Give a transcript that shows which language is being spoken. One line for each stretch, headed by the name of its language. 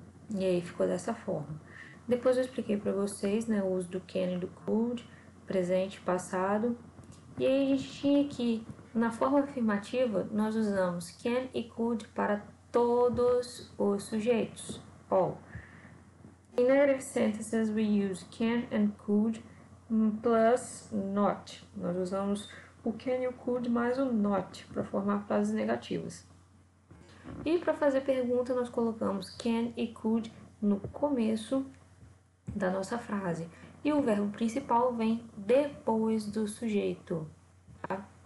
Portuguese: E aí ficou dessa forma. Depois eu expliquei para vocês, né, o uso do can e do could, presente, passado. E aí a gente tinha que, na forma afirmativa, nós usamos can e could para todos os sujeitos.
English: All. In negative sentences, we use can and could plus not.
Portuguese: Nós usamos o can e o could mais o not para formar frases negativas. E para fazer pergunta, nós colocamos can e could no começo da nossa frase. E o verbo principal vem depois do sujeito, tá?